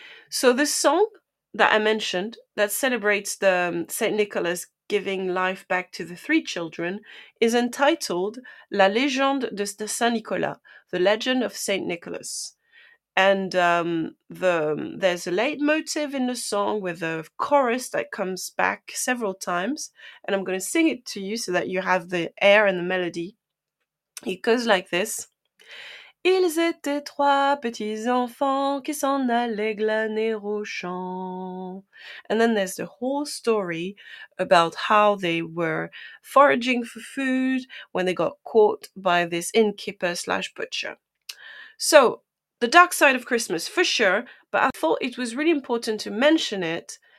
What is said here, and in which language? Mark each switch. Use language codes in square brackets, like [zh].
[en] So the song that I mentioned that celebrates the Saint Nicholas giving life back to the three children is entitled La Légende de Saint Nicolas, The Legend of Saint Nicholas. And there's a leitmotif in the song with a chorus that comes back several times. And I'm going to sing it to you so that you have the air and the melody. It goes like this. [fr] Ils étaient trois petits enfants qui s'en allaient glaner au champ. [en] And then there's the whole story about how they were foraging for food when they got caught by this innkeeper slash butcher. So, the dark side of Christmas, for sure, but I thought it was really important to mention it.